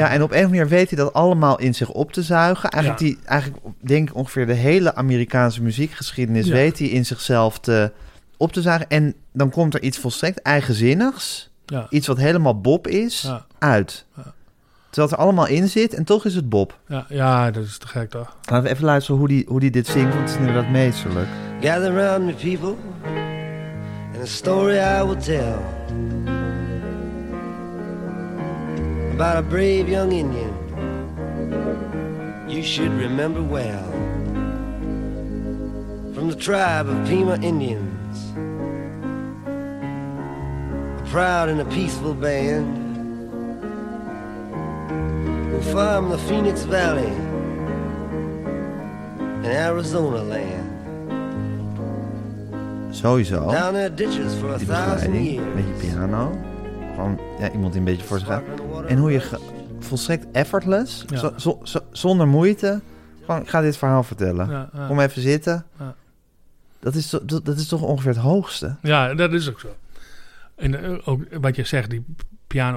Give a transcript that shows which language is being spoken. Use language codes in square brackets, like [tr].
[nl] Ja, en op een of andere manier weet hij dat allemaal in zich op te zuigen. Eigenlijk, ja, die, eigenlijk denk ik ongeveer de hele Amerikaanse muziekgeschiedenis, ja, weet hij in zichzelf te op te zuigen. En dan komt er iets volstrekt eigenzinnigs, ja, iets wat helemaal Bob is, ja, uit. Ja. Terwijl het er allemaal in zit en toch is het Bob. Ja, ja, dat is te gek toch. Laten we even luisteren hoe die dit zingt, want het is inderdaad meesterlijk. [en] Gather around me people, and a story I will tell. About a brave young Indian, you should remember well. From the tribe of Pima Indians, a proud and a peaceful band. We'll farm the Phoenix Valley in Arizona land. [nl] Sowieso. [en] Down there ditches for a thousand years. [nl] Een beetje piano. Gewoon, ja, iemand die een beetje voor zich gaat. En hoe je volstrekt effortless, ja, zonder moeite, gewoon, ik ga dit verhaal vertellen. Ja, ja. Kom even zitten. Ja. Dat is toch ongeveer het hoogste? Ja, dat is ook zo. En ook wat je zegt, die piano.